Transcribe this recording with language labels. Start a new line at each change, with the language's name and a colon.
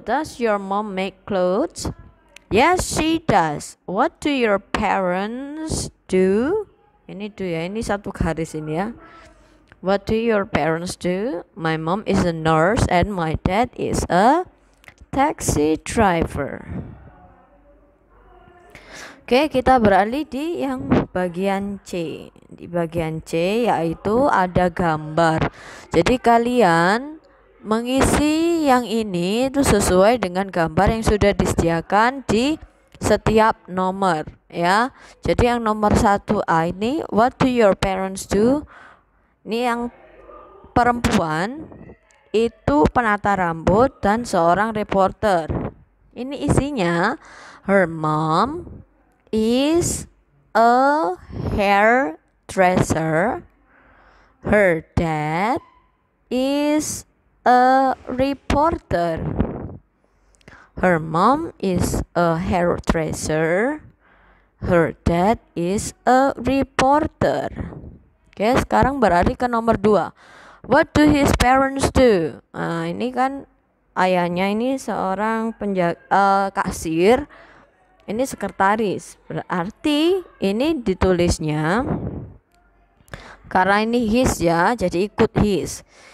English: Does your mom make clothes? Yes, she does. What do your parents do?
Indonesian: Ini do ya, ini satu garis ini ya.
English: What do your parents do? My mom is a nurse and my dad is a taxi driver.
Indonesian: Oke, kita beralih di yang bagian C. Di bagian C yaitu ada gambar. Jadi kalian mengisi yang ini itu sesuai dengan gambar yang sudah disediakan di setiap nomor ya. Jadi yang nomor 1A ini,
English: what do your parents do?
Indonesian: Ini yang perempuan itu penata rambut dan seorang reporter. Ini isinya,
English: her mom is a hairdresser. Her dad is a reporter. Her mom is a hairdresser. Her dad is a reporter.
Indonesian: Oke, sekarang beralih ke nomor 2.
English: What do his parents do?
Indonesian: Nah, ini kan ayahnya ini seorang penjaga kasir. Ini sekretaris. Berarti ini ditulisnya karena ini his ya, jadi ikut his.